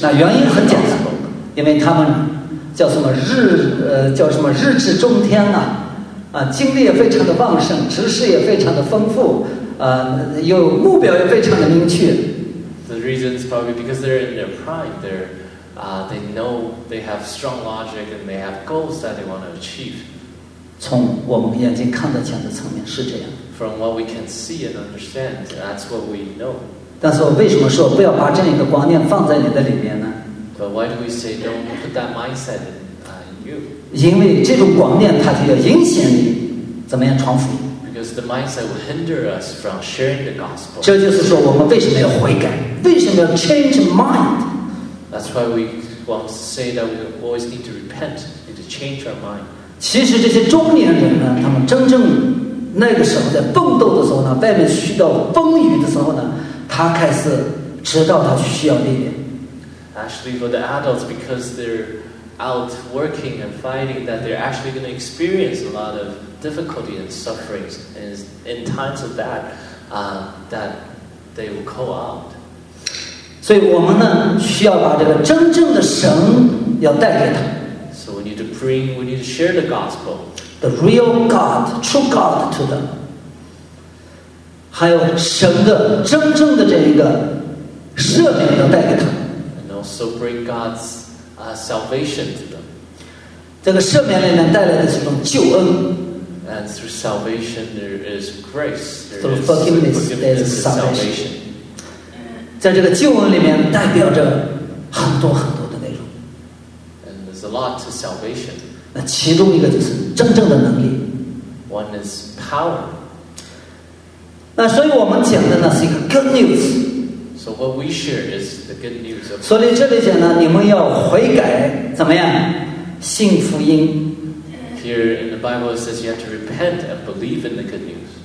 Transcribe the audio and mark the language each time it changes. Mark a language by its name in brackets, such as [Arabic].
[Chinese] 那原因很简单。因为他们叫什么日志中天啊，精力也非常的旺盛，知识也非常的丰富，有目标也非常的明确。 [English] The reason is probably because they're in their prime. They're, they know they have strong logic and they have goals that they want to achieve. [Chinese] 从我们眼睛看得见的层面是这样。 [English] From what we can see and understand, that's what we know. [Chinese] 但是我为什么说不要把这样一个观念放在你的里面呢？ [English] But why do we say don't put that mindset in you? [Chinese] 因为这种观念它就要影响你怎么样传福音。 [English] Because the mindset will hinder us from sharing the gospel. [Chinese] 这就是说我们为什么要悔改，为什么要 [English] change mind? That's why we want to say that we always need to repent and to change our mind. [Chinese] 其实这些中年人呢，他们真正那个时候在奋斗的时候呢，外面遇到风雨的时候呢，他开始知道他需要力量。 [English] Actually, for the adults, because they're out working and fighting, that they're actually going to experience a lot of difficulty and sufferings. And in times of that, that they will call out. [Chinese] 所以我们呢，需要把这个真正的神要带给他。 [English] So we need to bring, we need to share the gospel. The real God, true God to them. [Chinese] 还有神的真正的这一个赦免要带给他。 [English] So bring God's salvation to them. [Chinese] 这个赦免里面带来的是一种救恩。 [English] And through salvation, there is grace. Through forgiveness, there is salvation. [Chinese] 在这个救恩里面代表着很多很多的内容。 [English] And there's a lot to salvation. [Chinese] 那其中一个就是真正的能力。 [English] One is power. [Chinese] 那所以我们讲的呢是一个 good news. [English] So what we share is the good news of. [Chinese] 所以这里讲呢，你们要悔改，怎么样？信福音。 [English] Here in the Bible it says you have to repent and believe in the good news.